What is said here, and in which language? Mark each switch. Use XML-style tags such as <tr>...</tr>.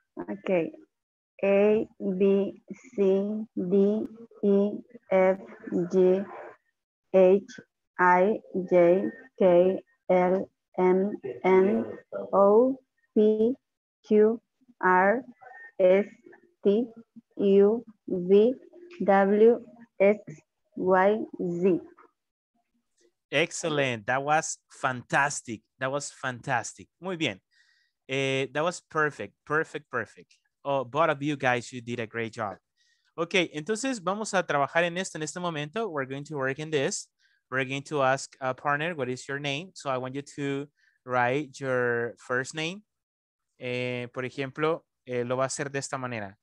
<en>Okay. A, B, C, D, E, F, G, H, I, J, K, L, M, N, O, P, Q, R, S, T, U, V, W, X, Y, Z. Excellent. That was fantastic. That was fantastic.</en> <es>Muy bien.</es> <en>That was perfect. Perfect, perfect. Oh, both of you guys, you did a great job.</en> <es>Okay, entonces vamos a trabajar en esto en este momento.</es> <en>We're going to work in this. We're going to ask a partner, what is your name? So I want you to write your first name.</en> <es>Por ejemplo, lo va a hacer de esta manera.</es>